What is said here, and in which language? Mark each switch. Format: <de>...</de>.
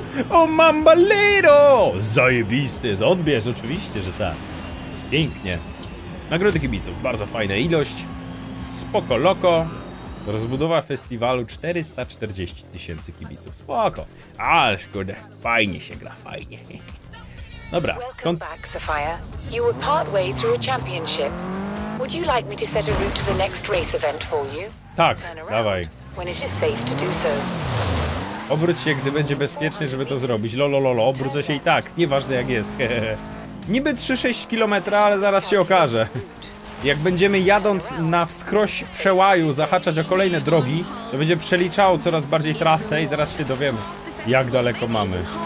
<pl>O, mambalero! Zajebisty jest, odbierz oczywiście, że tak. Pięknie. Nagrody kibiców, bardzo fajna ilość. Spoko loko. Rozbudowa festiwalu, 440 tysięcy kibiców, spoko. Ale kurde, fajnie się gra, fajnie. Dobra.</pl> <en>Welcome back, Sophia. You were partway through a championship. Would you like me to set a route to the next race event for you?</en> <pl>Tak, dawaj.</pl> <en>When it is safe to do so.</en> <pl>Obróć się, gdy będzie bezpiecznie, żeby to zrobić. Lololo, obrócę się i tak, nieważne jak jest. Niby 3-6 km, ale zaraz się okaże. Jak będziemy jadąc na wskroś przełaju, zahaczać o kolejne drogi, to będzie przeliczało coraz bardziej trasę i zaraz się dowiemy, jak daleko mamy.</pl>